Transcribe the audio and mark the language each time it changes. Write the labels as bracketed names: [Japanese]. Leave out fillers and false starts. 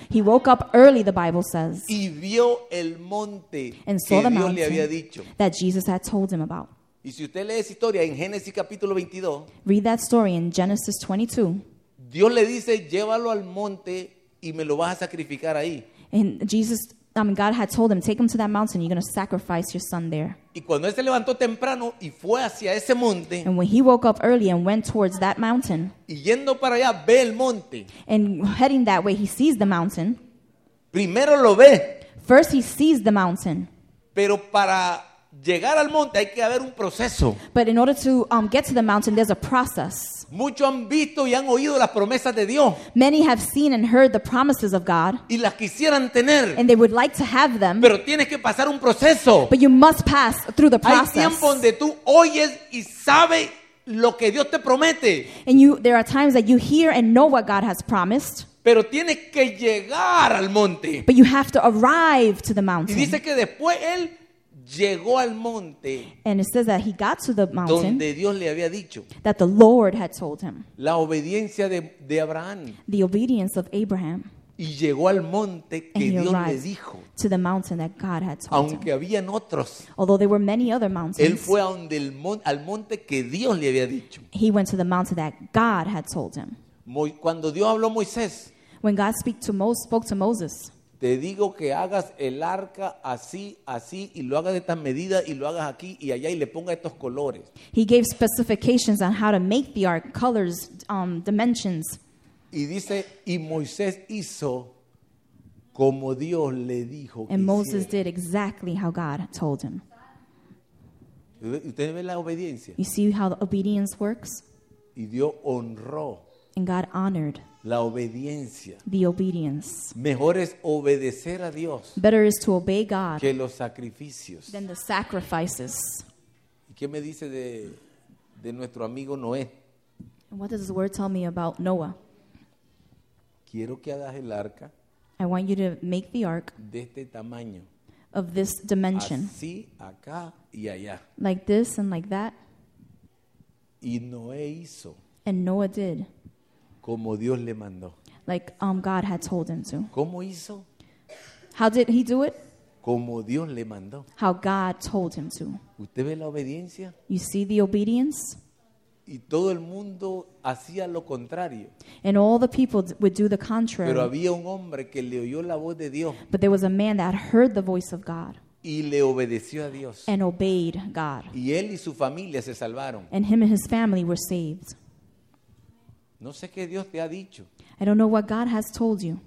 [English] He woke up early, the Bible says. [Spanish] Y vio el monte [English] and saw [Spanish] que [English] the [Spanish] Dios [English] mountain [Spanish] le había dicho. [English] That Jesus had told him about. [Spanish] Y si usted lee esa historia en Génesis capítulo 22. [English] Read that story in Genesis 22. [Spanish] Dios le dice, llévalo al monte y me lo vas a sacrificar ahí. [English] And Jesus, God had told him, take him to that mountain, you're going to sacrifice your son there. [Spanish] Y cuando él se levantó temprano y fue hacia ese monte. [English] And when he woke up early and went towards that mountain. [Spanish] Y yendo para allá, ve el monte. [English] And heading that way, he sees the mountain. [Spanish] Primero lo ve. [English] First he sees the mountain. [Spanish] Pero para llegar al monte hay que haber un proceso. [English] But in order to get to the mountain, there's a process. [Spanish] Muchos han visto y han oído las promesas de Dios. [English] Many have seen and heard the promises of God. [Spanish] Y las quisieran tener. [English] And they would like to have them. [Spanish] Pero tienes que pasar un proceso. [English] But you must pass through the process. [Spanish] Hay tiempo donde tú oyes y sabes lo que Dios te promete. [English] And there are times that you hear and know what God has promised. [Spanish] Pero tienes que llegar al monte. [English] But you have to arrive to the mountain. [Spanish] Y dice que después él llegó al monte. [English] And it says that he got to the mountain. [Spanish] Donde Dios le había dicho. [English] That the Lord had told him. [Spanish] La obediencia de Abraham. [English] The obedience of Abraham. [Spanish] Y llegó al monte que Dios le dijo. [English] To the mountain that God had told [Spanish] Aunque [English] him. [Spanish] Habían otros. [English] Although there were many other mountains. [Spanish] Él fue a donde el al monte que Dios le había dicho. [English] He went to the mountain that God had told him. [Spanish] Cuando Dios habló a Moisés. [English] When God spoke to Moses. [Spanish] Te digo que hagas el arca así, así, y lo hagas de estas medidas, y lo hagas aquí y allá, y le ponga estos colores. [English] He gave specifications on how to make the ark, colors, dimensions. [Spanish] Y dice, y Moisés hizo como Dios le dijo. [English] And Moses did exactly how God told him. [Spanish] ¿Usted ve la obediencia? [English] You see how the obedience works? [Spanish] Y Dios honró. [English] And God honored. [Spanish] La obediencia. [English] The obedience. [Spanish] Mejor es obedecer a Dios. [English] Better is to obey God. [Spanish] Que los sacrificios. [English] Than the sacrifices. [Spanish] ¿Y qué me dice de nuestro amigo Noé? [English] What does the word tell me about Noah? [Spanish] Quiero que hagas el arca. [English] I want you to make the ark. [Spanish] De este tamaño. [English] Of this dimension. [Spanish] Así, acá y allá. [English] Like this and like that. [Spanish] Y Noé hizo. [English] And Noah did. [Spanish] Como Dios le mandó. [English] Like God had told him to. [Spanish] ¿Cómo hizo? [English] How did he do it? [Spanish] Como Dios le mandó. [English] How God told him to. [Spanish] ¿Usted ve la obediencia? [English] You see the obedience? [Spanish] Y todo el mundo hacía lo contrario. [English] And all the people would do the contrary. [Spanish] Pero había un hombre que le oyó la voz de Dios. [English] But there was a man that heard the voice of God. [Spanish] Y le obedeció a Dios. [English] And obeyed God. [Spanish] Y él y su familia se salvaron. [English] And him and his family were saved. [Spanish] No sé qué Dios te ha dicho. [English] I don't know what God has told you.